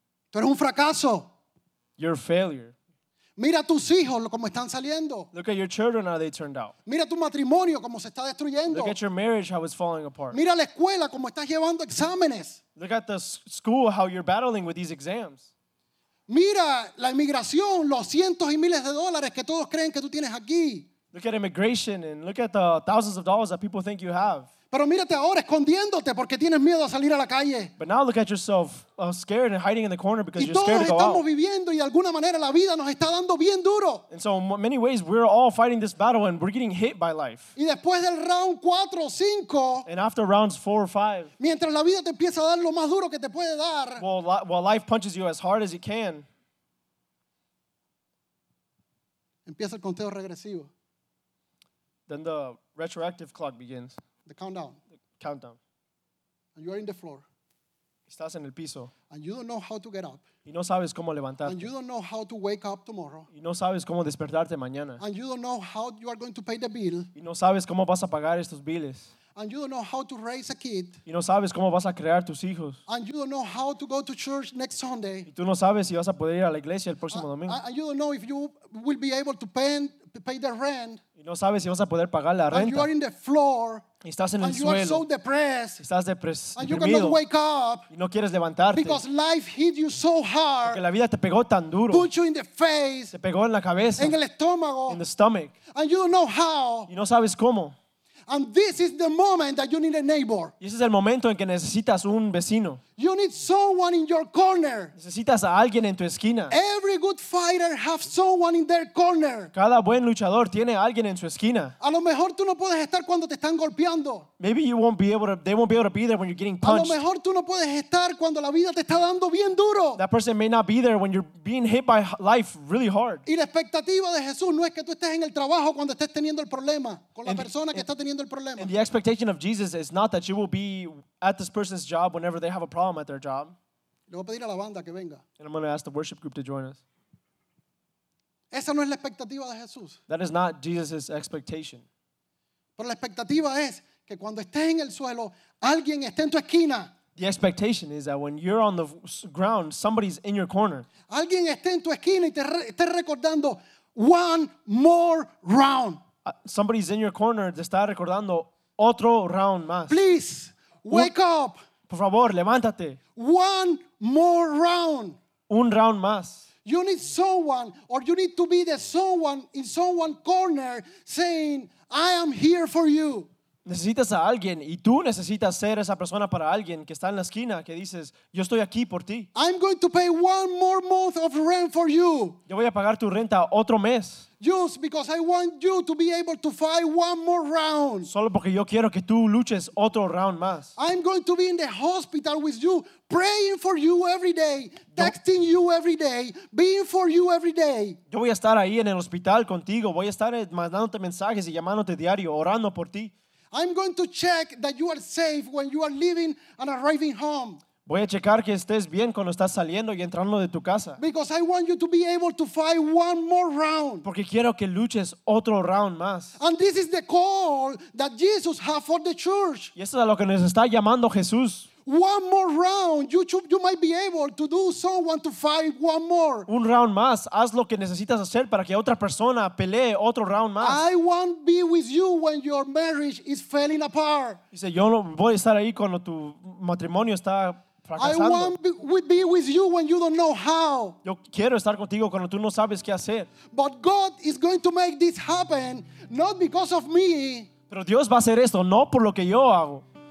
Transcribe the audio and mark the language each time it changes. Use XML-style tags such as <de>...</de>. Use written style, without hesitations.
<es>Tú eres un fracaso.</es> <en>You're a failure.</en> <es>Mira tus hijos cómo están saliendo.</es> <en>Look at your children how they turned out.</en> <es>Mira tu matrimonio cómo se está destruyendo.</es> <en>Look at your marriage how it's falling apart.</en> <es>Mira la escuela cómo estás llevando exámenes.</es> <en>Look at the school how you're battling with these exams.</en> <es>Mira la inmigración, los cientos y miles de dólares que todos creen que tú tienes aquí.</es> <en>Look at immigration and look at the thousands of dollars that people think you have.</en> <es>Pero mírate ahora escondiéndote porque tienes miedo a salir a la calle.</es> <en>But now look at yourself, scared and hiding in the corner because you're scared to go out.</en> <es>Y todos estamos viviendo y de alguna manera la vida nos está dando bien duro.</es> <en>And so in many ways we're all fighting this battle and we're getting hit by life.</en> <es>Y después del round 4 o 5.</es> <en>And after rounds 4 or 5.</en> <es>Mientras la vida te empieza a dar lo más duro que te puede dar.</es> <en>While life punches you as hard as it can.</en> <es>Empieza el conteo regresivo.</es> <en>Then the retroactive clock begins. The countdown. And you are in the floor.</en> <es>Estás en el piso.</es> <en>And you don't know how to get up.</en> <es>Y no sabes cómo levantarte.</es> <en>And you don't know how to wake up tomorrow.</en> <es>Y no sabes cómo despertarte mañana.</es> <en>And you don't know how you are going to pay the bill.</en> <es>Y no sabes cómo vas a pagar estos biles.</es> <en>And you don't know how to raise a kid.</en> <es>Y no sabes cómo vas a crear tus hijos.</es> <en>And you don't know how to go to church next Sunday.</en> <es>Y tú no sabes si vas a poder ir a la iglesia el próximo domingo.</es> <en>And you don't know if you will be able to pay the rent.</en> <es>Y no sabes si vas a poder pagar la renta.</es> <en>And you are in the floor.</en> <es>Y estás en</es> <en>and</en> <es>el</es> <en>you</en> <es>suelo.</es> <en>Are so depressed.</en> <es>Estás</es> <en>and you cannot wake up.</en> <es>Y no quieres levantarte.</es> <en>Because life hit you so hard.</en> <es>Porque la vida te pegó tan duro.</es> <en>Put you in the face.</en> <es>Te pegó en la cabeza. En el estómago.</es> <en>In the stomach. And you don't know how.</en> <es>Y no sabes cómo.</es> <en>And this is the moment that you need a neighbor.</en> <es>Y ese es el momento en que necesitas un vecino.</es> <en>You need someone in your corner.</en> <es>Necesitas a alguien en tu esquina.</es> <en>Every good fighter has someone in their corner.</en> <es>Cada buen luchador tiene a alguien en su esquina. A lo mejor tú no puedes estar cuando te están golpeando.</es> <en>Maybe you won't be able to, they won't be able to be there when you're getting punched.</en> <es>A lo mejor tú no puedes estar cuando la vida te está dando bien duro.</es> <en>That person may not be there when you're being hit by life really hard.</en> <es>Y la expectativa de Jesús no es que tú estés en el trabajo cuando estés teniendo el problema con la persona que está teniendo el problema.</es> <en>And the expectation of Jesus is not that you will be at this person's job whenever they have a problem at their job.</en> <es>Le voy a pedir a la banda que venga.</es> <en>And I'm going to ask the worship group to join us.</en> <es>Esa no es la expectativa de Jesús.</es> <en>That is not Jesus' expectation.</en> <es>Pero la expectativa es que cuando estés en el suelo, alguien esté en tu esquina.</es> <en>The expectation is that when you're on the ground, somebody's in your corner.</en> <es>Alguien esté en tu esquina y te esté recordando</es> <en>one more round. Somebody's in your corner,</en> <es>te está recordando otro round más.</es> <en>Please, wake up.</en> <es>Por favor, levántate.</es> <en>One more round.</en> <es>Un round más.</es> <en>You need someone, or you need to be the someone in someone's corner saying, I am here for you.</en> <es>Necesitas a alguien y tú necesitas ser esa persona para alguien que está en la esquina que dices, yo estoy aquí por ti.</es> <en>I'm going to pay one more month of rent for you.</en> <es>Yo voy a pagar tu renta otro mes.</es> <en>Just because I want you to be able to fight one more round.</en> <es>Solo porque yo quiero que tú luches otro round más.</es> <en>I'm going to be in the hospital with you, praying for you every day, texting you every day, being for you every day.</en> <es>Yo voy a estar ahí en el hospital contigo, voy a estar mandándote mensajes y llamándote diario, orando por ti.</es> <en>I'm going to check that you are safe when you are leaving and arriving home.</en> <es>Voy a checar que estés bien cuando estás saliendo y entrando de tu casa.</es> <en>Because I want you to be able to fight one more round.</en> <es>Porque quiero que luches otro round más.</es> <en>And this is the call that Jesus has for the church.</en> <es>Y eso es a lo que nos está llamando Jesús.</es> <en>One more round, you might be able to do someone to fight one more.</en> <es>Un round más, haz lo que necesitas hacer para que otra persona pelee otro round más.</es> <en>I won't be with you when your marriage is falling apart.</en> <es>Dice, yo no voy a estar ahí cuando tu matrimonio está fracasando.</es> <en>I won't be with you when you don't know how.</en> <es>Yo quiero estar contigo cuando tú no sabes qué hacer.</es> <en>But God is going to make this happen, not because of me.</en> <es>Pero Dios va a hacer esto no por lo que yo hago.</es>